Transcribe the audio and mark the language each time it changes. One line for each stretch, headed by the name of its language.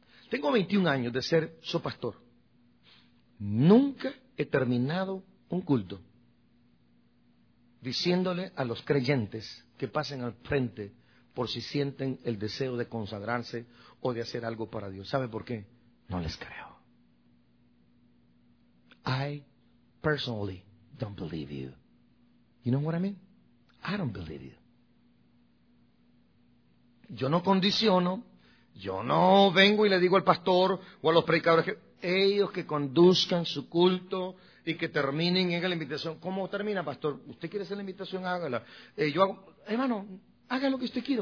Spanish: Tengo 21 años de ser su pastor. Nunca he terminado un culto diciéndole a los creyentes que pasen al frente por si sienten el deseo de consagrarse o de hacer algo para Dios. ¿Sabe por qué? No les creo.
English: I personally don't believe you. You know what I mean? I don't believe you.
Spanish: Yo no condiciono, yo no vengo y le digo al pastor o a los predicadores que ellos que conduzcan su culto y que terminen en la invitación. ¿Cómo termina, pastor? ¿Usted quiere hacer la invitación? Hágala. Yo hago, hermano, haga lo que usted quiera.